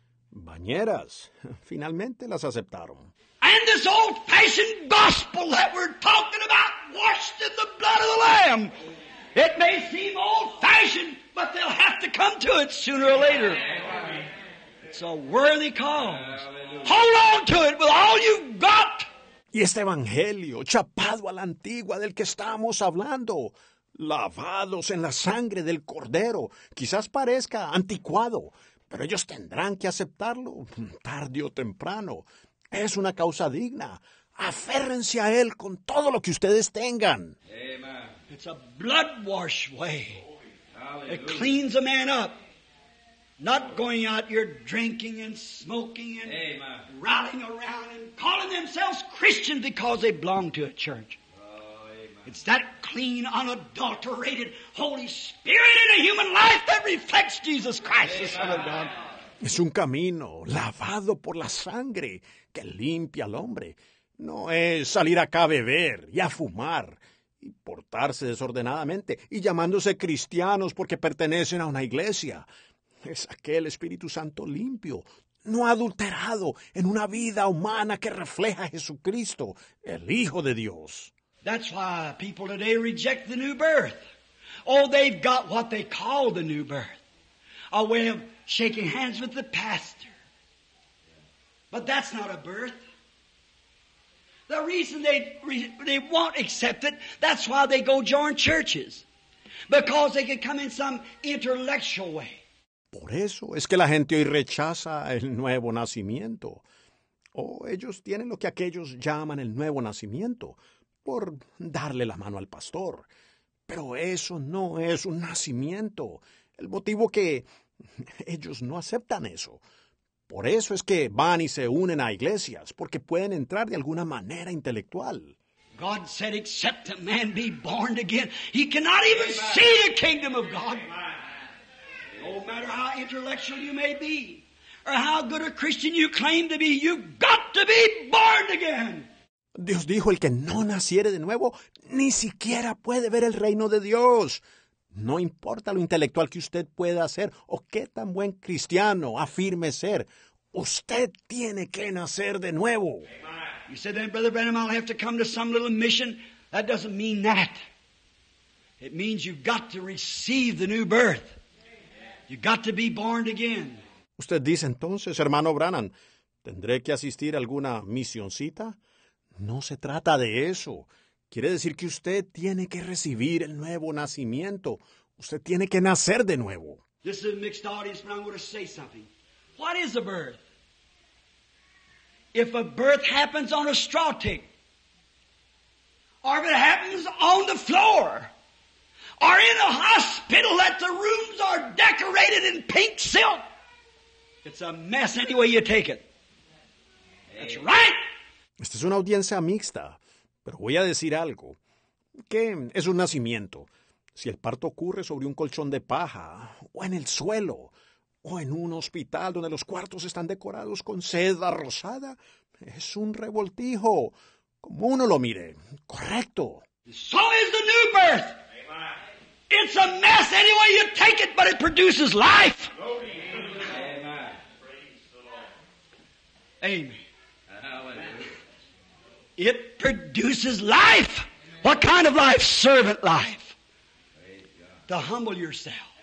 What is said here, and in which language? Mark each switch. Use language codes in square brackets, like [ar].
[es] Bañeras. Finalmente las aceptaron. [en] And this old-fashioned gospel that we're talking about, washed in the blood of the Lamb. It may seem old-fashioned, but they'll have to come to it sooner or later. It's a worthy cause. Hold on to it with all you've got. [es] Y este evangelio, chapado a la antigua del que estamos hablando, lavados en la sangre del Cordero, quizás parezca anticuado, pero ellos tendrán que aceptarlo tarde o temprano. Es una causa digna. Aférrense a él con todo lo que ustedes tengan. [en] Amen. It's a blood wash way. It cleans a man up. Not going out here drinking and smoking and rallying around and calling themselves Christians because they belong to a church. It's that clean, unadulterated Holy Spirit in a human life that reflects Jesus Christ, the Son of God. [es] Es un camino lavado por la sangre que limpia al hombre. No es salir acá a beber y a fumar y portarse desordenadamente y llamándose cristianos porque pertenecen a una iglesia. Es aquel Espíritu Santo limpio, no adulterado, en una vida humana que refleja a Jesucristo, el Hijo de Dios. [en] That's why people today reject the new birth. Oh, they've got what they call the new birth. A way of shaking hands with the pastor. But that's not a birth. The reason they won't accept it, that's why they go join churches. Because they could come in some intellectual way. [es] Por eso es que la gente hoy rechaza el nuevo nacimiento. Oh, ellos tienen lo que aquellos llaman el nuevo nacimiento. Por darle la mano al pastor. Pero eso no es un nacimiento. El motivo que ellos no aceptan eso. Por eso es que van y se unen a iglesias, porque pueden entrar de alguna manera intelectual. [en] God said, except a man be born again, he cannot even see the kingdom of God. No matter how intellectual you may be, or how good a Christian you claim to be, you've got to be born again. [es] Dios dijo, el que no naciere de nuevo, ni siquiera puede ver el reino de Dios. No importa lo intelectual que usted pueda ser o qué tan buen cristiano afirme ser, usted tiene que nacer de nuevo. [en] You said that, Brother Branham, I'll have to come to some little mission. That doesn't mean that. It means you've got to receive the new birth. You've got to be born again. [es] Usted dice entonces, hermano Branham, ¿tendré que asistir a alguna misioncita? No se trata de eso. Quiere decir que usted tiene que recibir el nuevo nacimiento. Usted tiene que nacer de nuevo. [en] This is a mixed audience, but I'm going to say something. What is a birth? If a birth happens on a straw tick, or if it happens on the floor, or in a hospital that the rooms are decorated in pink silk, it's a mess any way you take it. That's right. [es] Esta es una audiencia mixta, pero voy a decir algo. ¿Qué es un nacimiento? Si el parto ocurre sobre un colchón de paja, o en el suelo, o en un hospital donde los cuartos están decorados con seda rosada, es un revoltijo, como uno lo mire. Correcto. [en] So is the new birth. Amen. It's a mess any way you take it, but it produces life. Amen. Amen. It produces life. What kind of life? Servant life. To humble yourself.